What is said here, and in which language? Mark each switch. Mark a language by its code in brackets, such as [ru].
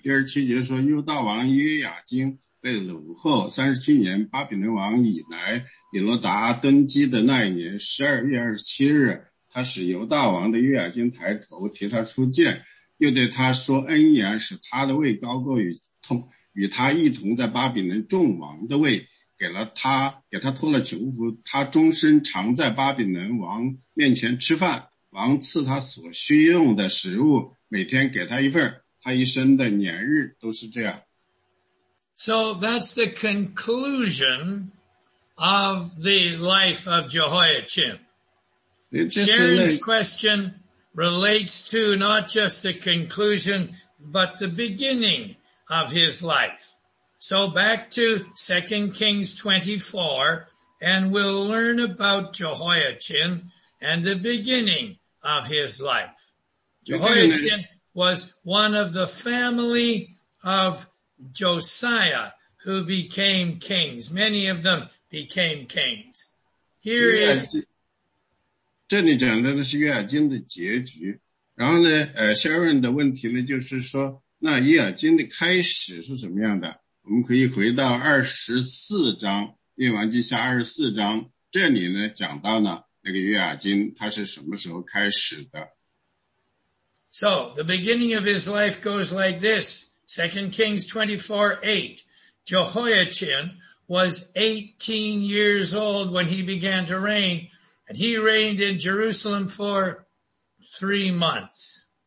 [zh] 第二七节说犹大王约雅金被掳后37年巴比伦王以来以罗达登基的那一年12月27日他使犹大王的约雅金抬头提他出见又对他说恩言使他的位高过与他一同在巴比伦众王的位给他脱了囚服他终身常在巴比伦王面前吃饭。王赐他所需用的食物每天给他一份他一生的年日都是这样。 [en] So that's the conclusion of the life of Jehoiachin. Sharon's question relates to not just the conclusion, but the beginning of his life. So back to 2 Kings 24 and we'll learn about Jehoiachin and the beginning of his life. Jehoiachin was one of the family of Josiah who became kings. Many of them became kings. Here is... [zh] 这里讲的是约雅金的结局。然后呢Sharon 的问题呢就是说那约雅金的开始是什么样的我们可以回到24章列王记下24章这里呢讲到呢那个约雅金他是什么时候开始的 [en] So, the beginning of his life goes like this. 2 Kings 24:8. Jehoiachin was 18 years old when he began to reign, and he reigned in Jerusalem for 3 months.